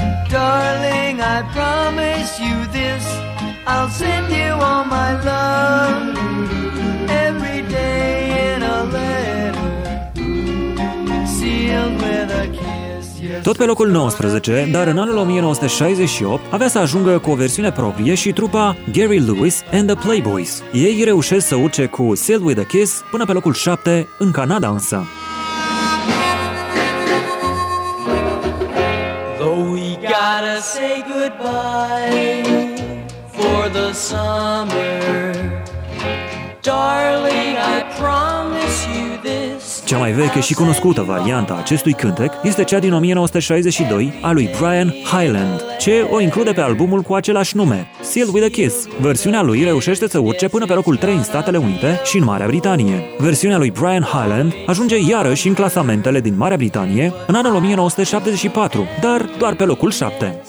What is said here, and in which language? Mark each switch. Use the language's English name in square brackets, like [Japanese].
[English] Darling, I promise you this, I'll send you all my love every day in a letter sealed with a kiss. [Romanian] Tot pe locul 19, dar în anul 1968, avea să ajungă cu o versiune proprie și trupa Gary Lewis and the Playboys. Ei reușesc să urce cu Sealed with a Kiss până pe locul 7 în Canada însă. [English] Though we gotta say goodbye for the summer, darling, I promise you this. [Romanian] Cea mai veche și cunoscută variantă a acestui cântec este cea din 1962 a lui Brian Hyland, ce o include pe albumul cu același nume, Sealed with a Kiss. Versiunea lui reușește să urce până pe locul 3 în Statele Unite și în Marea Britanie. Versiunea lui Brian Hyland ajunge iarăși în clasamentele din Marea Britanie în anul 1974, dar doar pe locul 7.